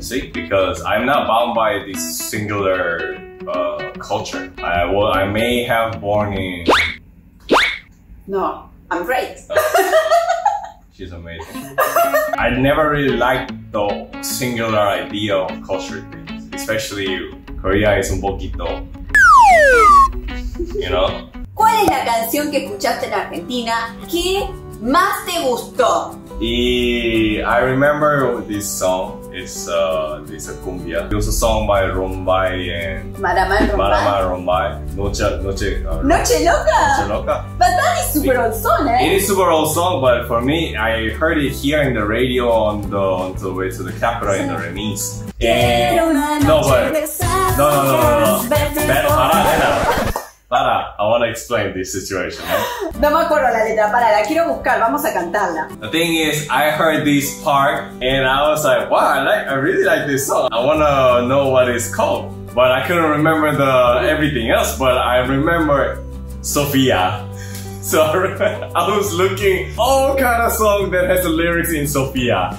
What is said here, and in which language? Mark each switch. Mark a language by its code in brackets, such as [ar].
[en] See, because I'm not bound by this singular culture. I may have born in... No. I'm great. She's amazing. I never really liked the singular idea of culture things. Especially Korea is un poquito. You know? [es] ¿Cuál es la canción que escuchaste en Argentina que más te gustó? [en] I remember this song. It's a cumbia. It was a song by Rombay and [es] Maramá Rombay. Noche Loca. Noche Loca. [en] But that is super old song, eh? It is super old song, but for me, I heard it here in the radio on the way to the capital in the remise. Para, I want to explain this situation. Eh? [es] No me acuerdo la letra, para, la quiero buscar, vamos a cantarla. [en] The thing is, I heard this part and I was like, wow, I really like this song. I want to know what it's called. But I couldn't remember everything else, but I remember Sofia. So I was looking all kind of song that has the lyrics in Sofia.